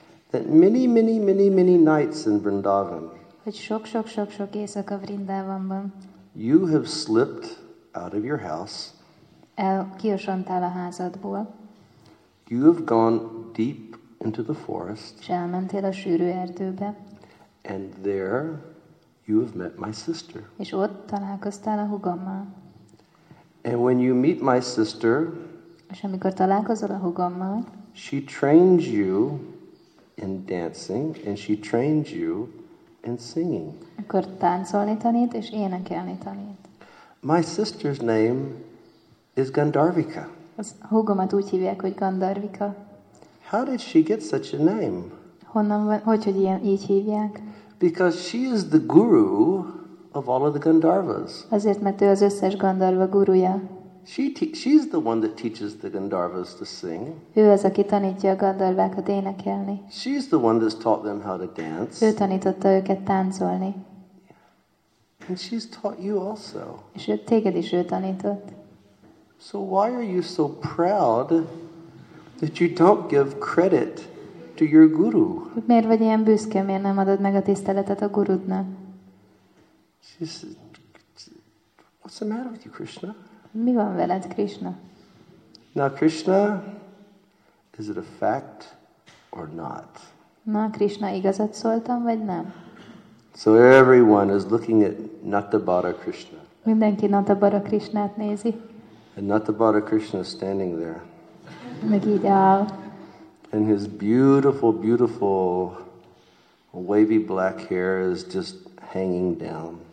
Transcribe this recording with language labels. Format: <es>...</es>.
<en>That many, many, many, many nights in Vrindavan.</en> <hu>Hogy sok éjszaka Vrindavanban.</hu> <en>You have slipped out of your house.</en> <hu>Elkiosontál a házadból.</hu> <en>You have gone deep into the forest.</en> <hu>S elmentél a sűrű erdőbe.</hu> <en>And there you have met my sister.</en> <hu>És ott találkoztál a húgommal.</hu> <en>And when you meet my sister,</en> <hu>és amikor találkozol a húgommal,</hu> <en>she trains you in dancing and she trains you in singing.</en> <hu>Akkor táncolni tanít és énekelni tanít.</hu> <en>My sister's name is Gandharvika.</en> <hu>Az húgomat úgy hívják, hogy Gandharvika.</hu> <en>How did she get such a name?</en> <hu>Honnan van, hogy ilyen így hívják?</hu> <en>Because she is the guru of all of the Gandharvas.</en> <hu>Azért, mert ő az összes Gandharva gurúja.</hu> <en>She's the one that teaches the Gandharvas to sing.</en> <hu>Ő az, aki tanítja a Gandharvákat énekelni.</hu> <en>She's the one that's taught them how to dance.</en> <hu>Ő tanította őket táncolni.</hu> <en>And she's taught you also.</en> <hu>És ő, téged is ő tanított.</hu> <en>So why are you so proud that you don't give credit to your guru?</en> <hu>Miért vagy ilyen büszke, miért nem adod meg a tiszteletet a gurudnak?</hu> <en>What's the matter with you, Krishna?</en> <hu>Mi van veled, Krishna?</hu> <en>Now, Krishna, is it a fact or not?</en> <hu>Na, Krishna, igazat szóltam, vagy nem?</hu> <en>So everyone is looking at Natabara Krishna.</en> <hu>Mindenki Natabara Krishnát nézi.</hu> <en>And Natabara Krishna is standing there.</en> <hu>Meg így áll.</hu> <en>And his beautiful, beautiful wavy black hair is just hanging down.</en>